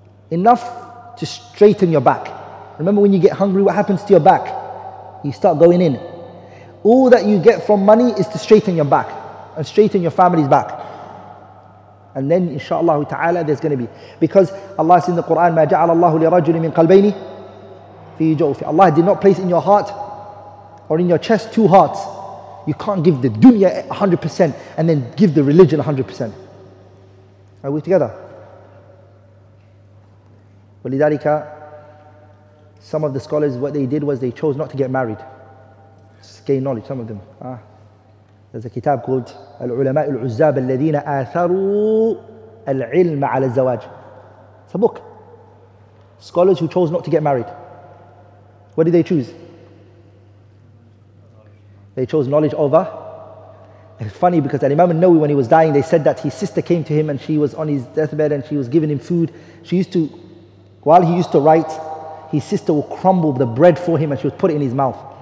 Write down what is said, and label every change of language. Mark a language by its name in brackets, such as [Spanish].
[English] Enough to straighten your back. Remember when you get hungry, what happens to your back? You start going in. All that you get from money is to straighten your back and straighten your family's back. And then inshaAllah ta'ala there's going to be. Because Allah says in the Quran, [Arabic] مَا جَعَلَ اللَّهُ لِرَجُلٍ مِنْ قَلْبَيْنِ فِي جَوْفِ. [English] Allah did not place in your heart or in your chest two hearts. You can't give the dunya 100% and then give the religion 100%. Are we together? [Arabic] وَلِذَلِكَ, [English] some of the scholars, what they did was they chose not to get married. Just gain knowledge, some of them. There's a kitab called [Arabic] الْعُلَمَاءُ الْعُزَّابَ الَّذِينَ آثَرُوا الْعِلْمَ عَلَى الزَّوَاجِ. [English] It's a book. Scholars who chose not to get married. What did they choose? They chose knowledge over. It's funny because Imam al-Nawawi, when he was dying, they said that his sister came to him and she was on his deathbed and she was giving him food. She used to, while he used to write, his sister would crumble the bread for him and she would put it in his mouth.